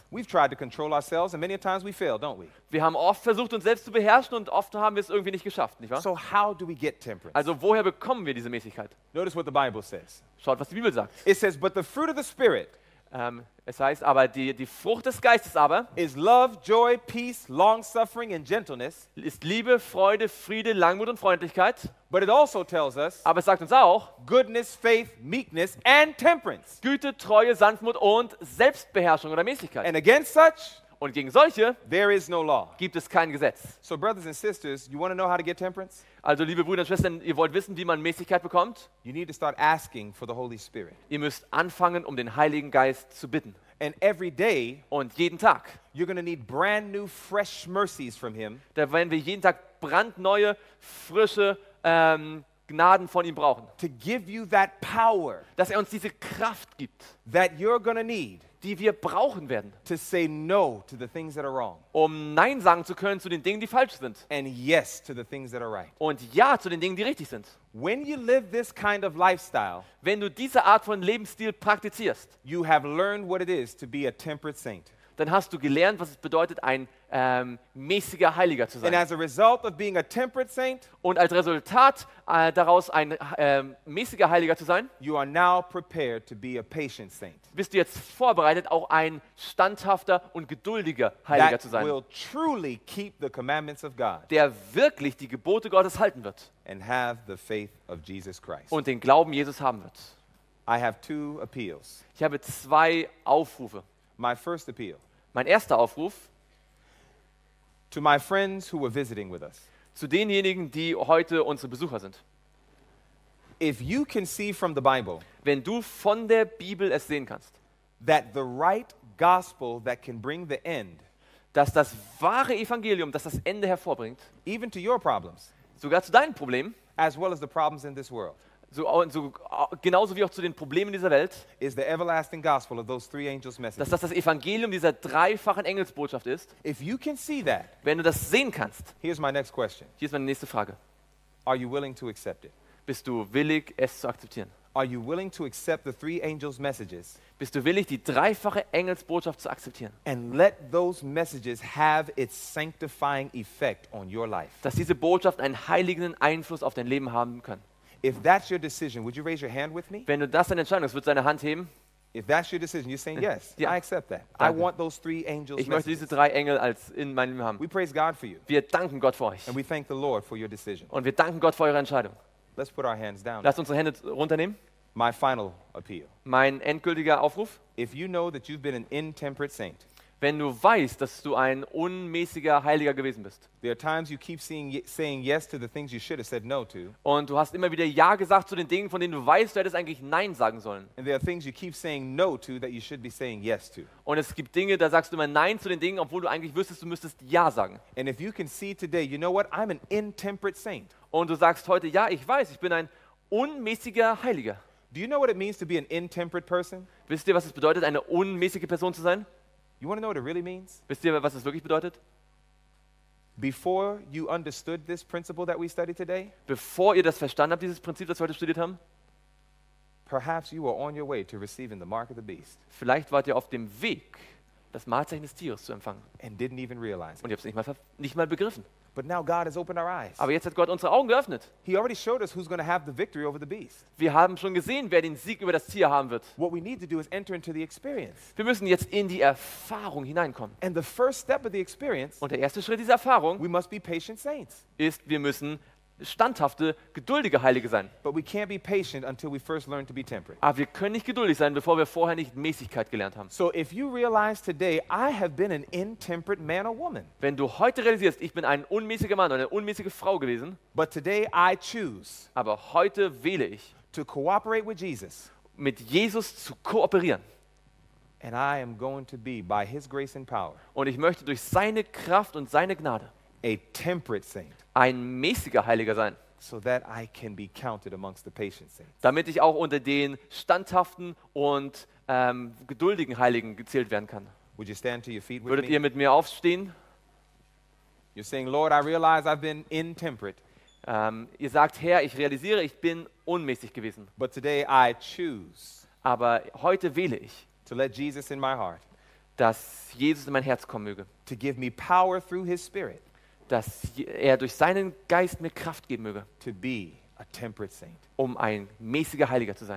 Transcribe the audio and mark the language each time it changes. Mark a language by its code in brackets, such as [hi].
[en] We've tried to control ourselves, and many times we fail, don't we? [de] Wir haben oft versucht, uns selbst zu beherrschen, und oft haben wir es irgendwie nicht geschafft, nicht wahr? [en] So how do we get temperance? [de] Also woher bekommen wir diese Mäßigkeit? [en] Notice what the Bible says. [de] Schaut, was die Bibel sagt. [en] It says, but the fruit of the Spirit. [de] Es heißt aber, die Frucht des Geistes aber [en] is love, joy, peace, long suffering and gentleness, [de] ist Liebe, Freude, Friede, Langmut und Freundlichkeit. [en] But it also tells us, [de] aber es sagt uns auch, [en] goodness, faith, meekness and temperance, [de] Güte, Treue, Sanftmut und Selbstbeherrschung oder Mäßigkeit. [en] And against such, [de] und gegen solche, [en] there is no law, [de] gibt es kein Gesetz. [en] So brothers and sisters, you want to know how to get temperance? [de] Also liebe Brüder und Schwestern, ihr wollt wissen, wie man Mäßigkeit bekommt? [en] You need to start asking for the Holy Spirit. [de] Ihr müsst anfangen, um den Heiligen Geist zu bitten. [en] And every day, [de] und jeden Tag, [en] you're going to need brand new fresh mercies from him. [de] Da werden wir jeden Tag brandneue, frische Gnaden von ihm brauchen. [en] To give you that power, [de] dass er uns diese Kraft gibt, [en] that you're going to need, [de] die wir brauchen werden, [en] to say no to the things that are wrong, [de] um Nein sagen zu können zu den Dingen, die falsch sind, [en] and yes to the things that are right, [de] und Ja zu den Dingen, die richtig sind. [en] When you live this kind of lifestyle, [de] wenn du diese Art von Lebensstil praktizierst, [en] you have learned what it is to be a temperate saint, [de] dann hast du gelernt, was es bedeutet, ein mäßiger Heiliger zu sein. [en] And as a result of being a temperate saint, [de] und als Resultat daraus ein mäßiger Heiliger zu sein, [en] you are now prepared to be a patient saint. [de] Bist du jetzt vorbereitet, auch ein standhafter und geduldiger Heiliger [en] that [de] zu sein, [en] will truly keep the commandments of God, [de] der wirklich die Gebote Gottes halten wird, [en] and have the faith of Jesus Christ, [de] und den Glauben Jesus haben wird. [en] I have two appeals. [de] Ich habe zwei Aufrufe. [en] My first appeal. [de] Mein erster Aufruf. [en] To my friends who were visiting with us. [de] Zu denjenigen, die heute unsere Besucher sind. [en] If you can see from the Bible, [de] wenn du von der Bibel es sehen kannst, [en] that the right gospel that can bring the end, [de] dass das wahre Evangelium, dass das Ende hervorbringt, [en] even to your problems, [de] sogar zu deinen Problemen, [en] as well as the problems in this world, [de] So genauso wie auch zu den Problemen dieser Welt, [en] is the everlasting gospel of those three angels' message, [de] dass das Evangelium dieser dreifachen Engelsbotschaft ist. [en] If you can see that, [de] wenn du das sehen kannst, [en] here's my next question, [de] hier ist meine nächste Frage. [en] Are you willing to accept it? [de] Bist du willig, es zu akzeptieren? [en] Are you willing to accept the three angels' messages? [de] Bist du willig, die dreifache Engelsbotschaft zu akzeptieren? [en] And let those messages have its sanctifying effect on your life. [de] Dass diese Botschaft einen heiligenden Einfluss auf dein Leben haben kann. [en] If that's your decision, would you raise your hand with me? [de] Wenn du das deine Entscheidung ist, würdest du deine Hand heben? [en] If that's your decision, you're saying yes. [de] Ja. [en] I accept that. [de] Danke. [en] I want those three angels. [de] Ich möchte diese drei Engel als in meinem Leben haben. [en] We praise God for you. [de] Wir danken Gott für euch. [en] And we thank the Lord for your decision. [de] Und wir danken Gott für eure Entscheidung. [en] Let's put our hands down. [de] Lasst unsere Hände runternehmen. [en] My final appeal. [de] Mein endgültiger Aufruf. [en] If you know that you've been an intemperate saint, [de] wenn du weißt, dass du ein unmäßiger Heiliger gewesen bist. [en] There are times you keep saying yes to the things you should have said no to. [de] Und du hast immer wieder ja gesagt zu den Dingen, von denen du weißt, du hättest eigentlich nein sagen sollen. [en] And there are things you keep saying no to that you should be saying yes to. [de] Und es gibt Dinge, da sagst du immer nein zu den Dingen, obwohl du eigentlich wüsstest, du müsstest ja sagen. [en] And if you can see today, you know what? I'm an intemperate saint. [de] Und du sagst heute, ja, ich weiß, ich bin ein unmäßiger Heiliger. [en] Do you know what it means to be an intemperate person? [de] Wisst ihr, was es bedeutet, eine unmäßige Person zu sein? [en] You want to know what it really means? [de] Wisst ihr, was es wirklich bedeutet? [en] Before you understood this principle that we studied today? [de] Bevor ihr das verstanden habt, dieses Prinzip, das wir heute studiert haben? [en] Perhaps you were on your way to receiving the mark of the beast. [de] Vielleicht wart ihr auf dem Weg, das Markzeichen des Tieres zu empfangen. [en] And didn't even realize. [de] Und ihr habt es nicht mal begriffen. [en] But now God has opened our eyes. [de] Aber jetzt hat Gott unsere Augen geöffnet. [en] He already showed us who's going to have the victory over the beast. [de] Wir haben schon gesehen, wer den Sieg über das Tier haben wird. [en] What we need to do is enter into the experience. [de] Wir müssen jetzt in die Erfahrung hineinkommen. [en] And the first step of the experience. [de] Und der erste Schritt dieser Erfahrung. [en] We must be patient saints. [de] Ist, wir müssen standhafte, geduldige Heilige sein. [en] But we can't be patient until we first learn to be temperate. [de] Aber wir können nicht geduldig sein, bevor wir vorher nicht Mäßigkeit gelernt haben. [en] So if you realize today I have been an intemperate man or woman. [de] Wenn du heute realisierst, ich bin ein unmäßiger Mann oder eine unmäßige Frau gewesen. [en] But today I choose. [de] Aber heute wähle ich [en] to cooperate with Jesus. [de] Mit Jesus zu kooperieren. [en] And I am going to be by his grace and power. [de] Und ich möchte durch seine Kraft und seine Gnade [en] a temperate saint. [de] Ein mäßiger Heiliger sein. [en] So that I can be counted amongst the patient saints. [de] Damit ich auch unter den standhaften und geduldigen Heiligen gezählt werden kann. [en] Would you stand to your feet with [de] Würdet [en] me? [de] Ihr mit mir aufstehen? [en] You're saying, Lord, I realize I've been intemperate. [de] Ihr sagt, Herr, ich realisiere, ich bin unmäßig gewesen. [en] But today I choose. [de] Aber heute wähle ich. [en] To let Jesus in my heart. [de] Dass Jesus in mein Herz kommen möge. [en] To give me power through his spirit. [de] Dass er durch seinen Geist mir Kraft geben möge, [en] to be a temperate saint. [de] Um ein mäßiger Heiliger zu sein.